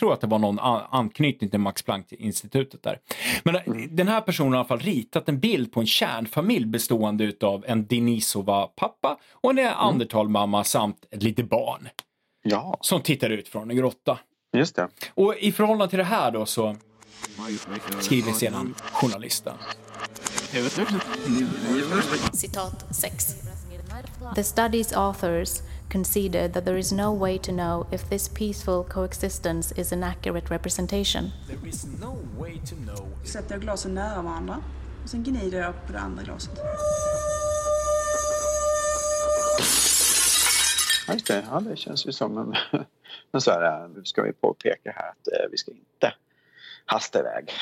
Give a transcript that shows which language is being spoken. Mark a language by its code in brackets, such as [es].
[sv] Jag tror att det var någon anknytning till Max Planck-institutet där. Men den här personen har i alla fall ritat en bild på en kärnfamilj bestående av en Denisova-pappa och en Neandertal-mamma samt ett litet barn. Ja. Som tittar ut från en grotta. Just det. Och i förhållande till det här då så skriver sedan journalisten. Citat 6. [en] The study's authors conceded that there is no way to know if this peaceful coexistence is an accurate representation. There is no way to know. [sv] Sätter jag glasen nära varandra och sen gnider jag på det andra glaset. Ja, det känns ju som en så här, nu ska vi påpeka här att vi ska inte hasta iväg.